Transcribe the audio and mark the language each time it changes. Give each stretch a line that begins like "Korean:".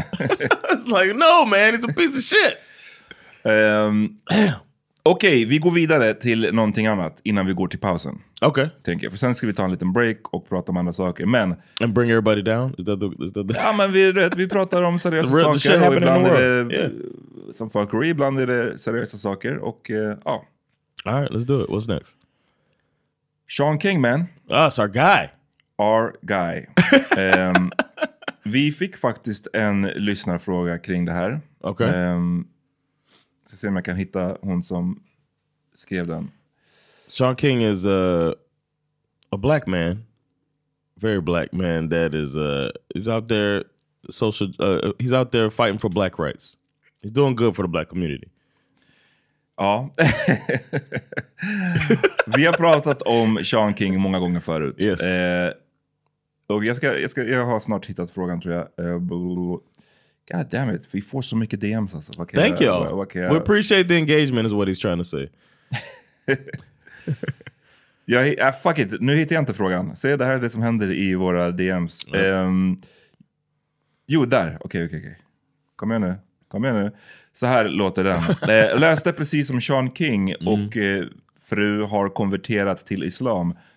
English: It's like, no man, he's a piece of shit.
Swedish: Okej, vi går vidare till någonting annat innan vi går till pausen. Okej. Okay. Tänker jag. För sen ska vi ta en liten break och prata om andra saker. Men...
English: And bring everybody down? Is that the,
Swedish: Ja, men vi pratar om seriösa saker.
English: The shit happening in the world. Some fuckery.
Swedish: Ibland är det seriösa saker. Och ja.
English: All right, let's do it. What's next? Sean King, man. That's our guy. Our guy.
Swedish: vi fick faktiskt en lyssnarfråga kring det här. Okej. Okay. Så se om jag kan hitta hon som skrev den.
English: Sean King is a black man, very black man that is he's out there social he's out there fighting for black rights. He's doing good for the black community.
Swedish: Ja. Vi har pratat om Sean King många gånger förut.
English: Yes.
Swedish: Och jag har snart hittat frågan tror jag.
English: God damn it.
Swedish: Vi får så mycket DMs alltså.
English: Okay, thank you. We appreciate the engagement is what he's trying to say. fuck it.
Swedish: Nu hittar jag inte frågan. Se, det här är det som händer i våra DMs. Jo, där. Okej. Kom igen nu. Så här låter den. Läste precis som Sean King och fru har konverterat till islam.